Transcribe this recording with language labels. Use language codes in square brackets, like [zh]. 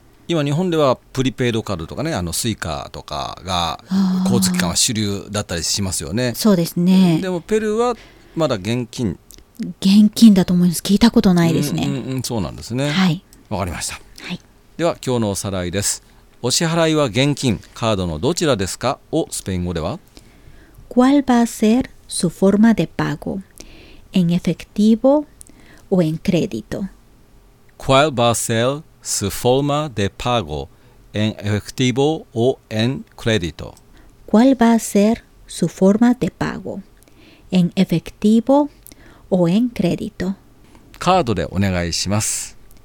[ja] 今日本ではプリペイドカードとかね、あのスイカとかが交通機関は主流だったりしますよね。そうですね。でもペルーはまだ現金。現金だと思います。聞いたことないですね。そうなんですね。はい、わかりました。はい、では今日のおさらいです。お支払いは現金、カードのどちらですかをスペイン語では [es] ¿Cuál va a ser su forma de pago? ¿En efectivo o en crédito? ¿Cuál va a ser su forma de pago? ¿En efectivo o en crédito? ¿Cuál va a ser su forma de pago? ¿En efectivo o en crédito? [ja] カードでお願いします。